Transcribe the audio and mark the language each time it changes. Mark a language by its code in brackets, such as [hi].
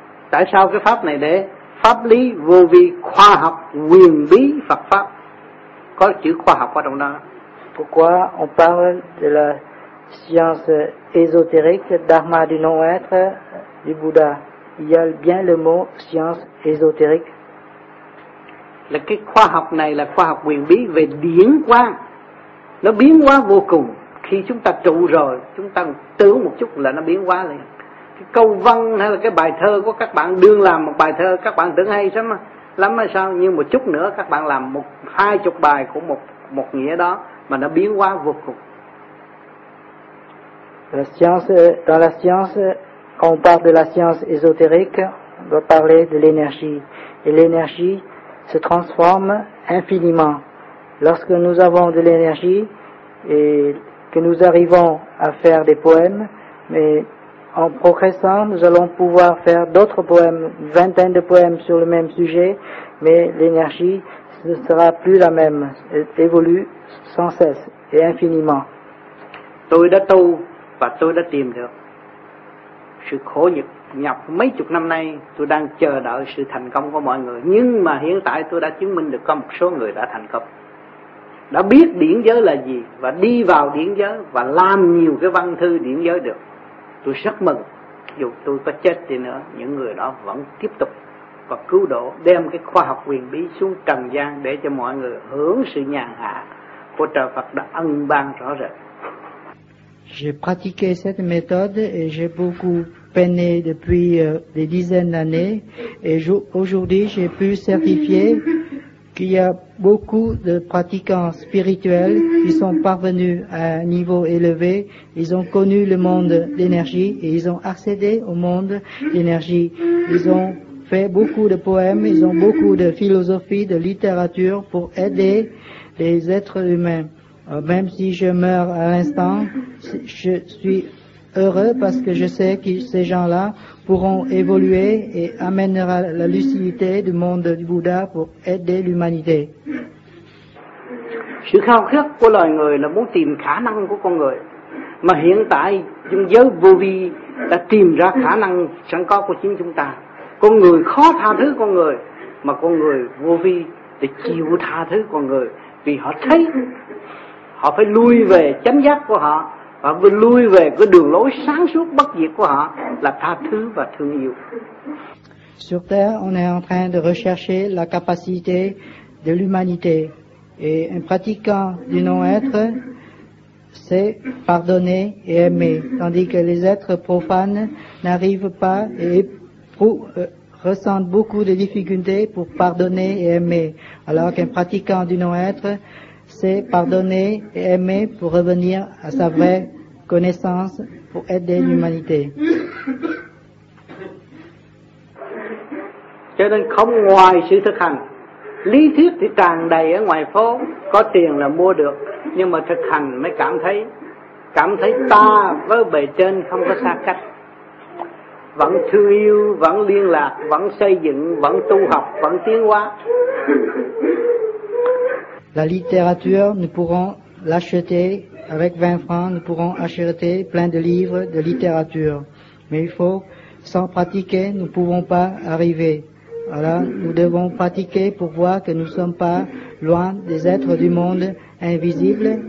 [vi] Tại sao cái pháp này đấy? Pháp lý vô vi, khoa học, quyền bí Phật pháp. Có chữ khoa học ở trong đó. [fr] Pourquoi on parle de la science ésotérique, dharma du non-être, du Bouddha? Il y a bien le mot science ésotérique. [vi] Là cái khoa học này là khoa học quyền bí về điển quang. Nó biến hóa vô cùng. Khi chúng ta trụ rồi, chúng ta tưởng một chút là nó biến hóa liền. Cái câu văn hay là cái bài thơ của các bạn đương làm một bài thơ, các bạn tưởng hay lắm lắm hay sao? Nhưng một chút nữa các bạn làm một hai chục bài của một nghĩa đó mà nó biến hóa vô cùng. [fr] La science, dans la science, quand on parle de la science ésotérique, on doit parler de l'énergie. Et l'énergie se transforme infiniment. Lorsque nous avons de l'énergie et que nous arrivons à faire des poèmes, mais en progressant, nous allons pouvoir faire d'autres poèmes, une vingtaine de poèmes sur le même sujet, mais l'énergie ne sera plus la même, elle évolue sans cesse et infiniment. [vi] Tôi đã tu và tôi đã tìm được sự khổ nhập mấy chục năm nay, tôi đang chờ đợi sự thành công của mọi người, nhưng mà hiện tại tôi đã chứng minh được có một số người đã thành công. Đã biết điển giới là gì và đi vào điển giới và làm nhiều cái văn thư điển giới được. Tôi rất mừng, dù tôi có chết đi nữa, những người đó vẫn tiếp tục và cứu độ, đem cái khoa học quyền bí xuống trần gian để cho mọi người hưởng sự nhàn hạ của trời Phật đã ân ban rõ rệt. [fr] J'ai pratiqué cette méthode et j'ai beaucoup peiné depuis des dizaines d'années et aujourd'hui j'ai pu certifier qu'il y a beaucoup de pratiquants spirituels qui sont parvenus à un niveau élevé. Ils ont connu le monde d'énergie et ils ont accédé au monde d'énergie. Ils ont fait beaucoup de poèmes, ils ont beaucoup de philosophie, de littérature pour aider les êtres humains. Même si je meurs à l'instant, je suis heureux parce que je sais que ces gens-là pourront évoluer et amènera la lucidité du monde du Bouddha pour aider l'humanité. [vi] Sự khao khát của loài người là muốn tìm khả năng của con người. Mà hiện tại, chúng giới vô vi đã tìm ra khả năng sẵn có của chính chúng ta. Con người khó tha thứ con người, mà con người vô vi thì chịu tha thứ con người. Vì họ thấy, họ phải lui về chánh giác của họ. Và vừa lui về cái đường lối sáng suốt bất diệt của họ là tha thứ và thương yêu. [fr] Sur Terre, on est en train de rechercher la capacité de l'humanité. Et un pratiquant du non-être sait pardonner et aimer. Tandis que les êtres profanes n'arrivent pas et ressentent beaucoup de difficultés pour pardonner et aimer. Alors qu'un pratiquant du non-être c'est pardonner et aimer pour revenir à sa vraie connaissance pour aider l'humanité. [vi] Cho nên không ngoài sự thực hành, lý thuyết thì tràn đầy ở ngoài phố, có tiền là mua được, nhưng mà thực hành mới cảm thấy ta với bề trên không có xa cách, vẫn thương yêu, vẫn liên lạc, vẫn xây dựng, vẫn tu học, vẫn tiến hóa. [fr] La littérature, nous pourrons l'acheter avec 20 francs, nous pourrons acheter plein de livres de littérature. Mais il faut, sans pratiquer, nous ne pouvons pas arriver. Alors, nous devons pratiquer pour voir que nous ne sommes pas loin des êtres du monde invisible.